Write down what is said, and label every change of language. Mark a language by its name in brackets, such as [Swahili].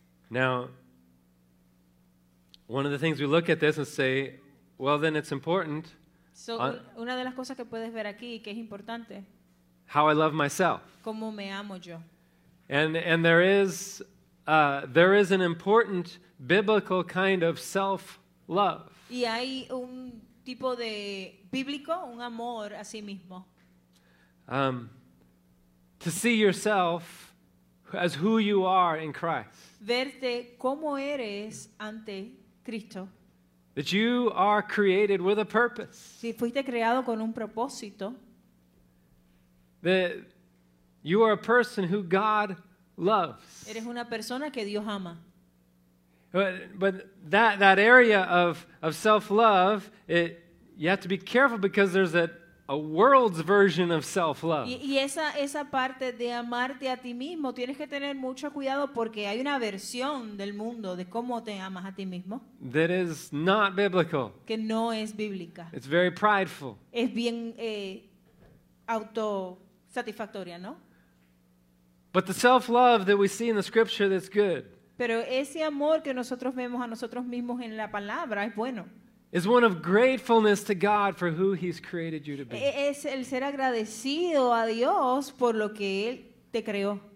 [English] Now, one of the things we look at this and say, well, then it's important. [Spanish] So, una de las cosas que puedes ver aquí que es importante. [English] How I love myself. [Spanish] Cómo me amo yo. [English] And there is an important biblical kind of self-love. [Spanish] Y hay un tipo de bíblico, un amor a sí mismo. [English] To see yourself as who you are in Christ. [Spanish] Verte cómo eres ante Cristo. [English] That you are created with a purpose. [Spanish] Si fuiste creado con un propósito. [English] That you are a person who God loves. [Spanish] Eres una persona que Dios ama. [English] But that area of self-love, it You have to be careful because there's a world's version of self-love. [Spanish] Y esa parte de amarte a ti mismo, tienes que tener mucho cuidado porque hay una versión del mundo de cómo te amas a ti mismo. [English] That is not biblical. [Spanish] Que no es bíblica. [English] It's very prideful. [Spanish] Es bien autosatisfactoria, ¿no? [English] But the self-love that we see in the scripture that's good. [Spanish] Pero ese amor que nosotros vemos a nosotros mismos en la palabra es bueno. [English] Is one of gratefulness to God for who He's created you to be. [Spanish] Es el ser agradecido a Dios por lo que Él te creó.